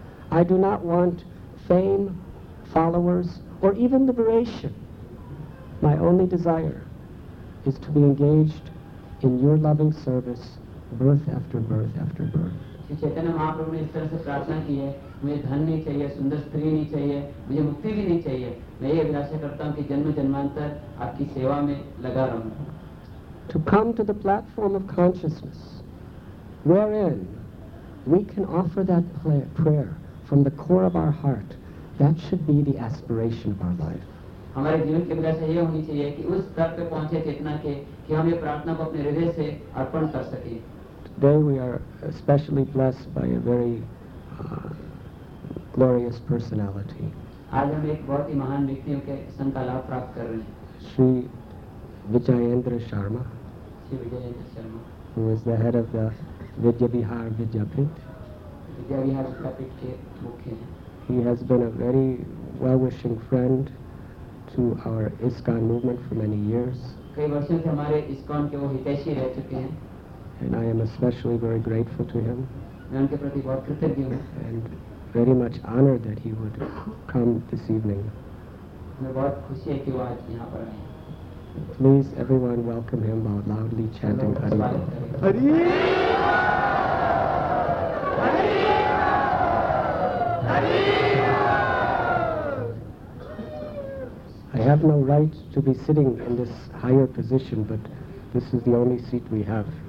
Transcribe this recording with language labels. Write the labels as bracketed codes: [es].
[en] I do not want fame, followers, or even liberation. My only desire is to be engaged in your loving service birth after birth after birth. [hi] Chaitanya Mahaprabhu ने इस तरह से प्रार्थना की है, मुझे धन नहीं चाहिए, सुंदर स्त्री नहीं चाहिए, मुझे मुक्ति भी नहीं चाहिए, मैं ये अभिलाषा करता हूँ कि जन्म जन्मांतर आपकी सेवा में लगा रहूं. [en] To come to the platform of consciousness, wherein we can offer that prayer from the core of our heart, that should be the aspiration of our life. [hi] हमारे जीवन की अभिलाषा ये होनी चाहिए कि उस स्तर पे पहुंचे चेतना के कि हम ये प्रार्थना को अपने हृदय से अर्पण कर सके. [en] Today we are especially blessed by a very glorious personality. [hi] आज हम एक बहुत ही महान व्यक्तियों के संग का लाभ प्राप्त कर रहे हैं. Shri Vijayendra Sharma. Shri Vijayendra Sharma. [en] Who is the head of the Vidyabihar Vidyapith. [hi] Vidyabihar Vidyapith के मुख्य हैं. [en] He has been a very well-wishing friend to our ISKCON movement for many years. [hi] कई वर्षों से हमारे ISKCON के वो हितैषी रह चुके हैं. [en] And I am especially very grateful to him. [hi] मैं उनके प्रति बहुत कृतज्ञ हूँ. [en] And very much honored that he would come this evening. [hi] मैं बहुत खुशी है कि वो आज यहाँ पर आए. [en] Please, everyone, welcome him by loudly chanting Hari Bol. [hi] Hari Bol! Hari Bol! Hari Bol! [en] I have no right to be sitting in this higher position, but this is the only seat we have.